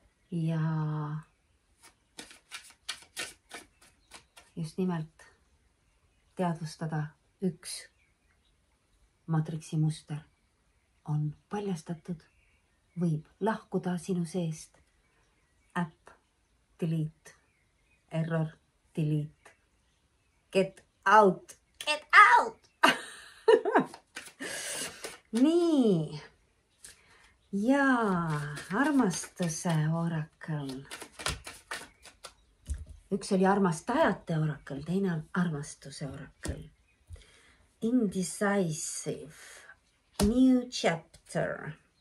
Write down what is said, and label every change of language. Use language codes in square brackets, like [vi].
[et] Ja just nimelt teadvustada üks matriksi muster on paljastatud, võib lahkuda sinu seest. [en] App, delete, error, delete, get out, get out! [et] Nii, ja armastuse orakel. Üks oli armastajate orakel, teine on armastuse orakel. [en] Indecisive, new chapter.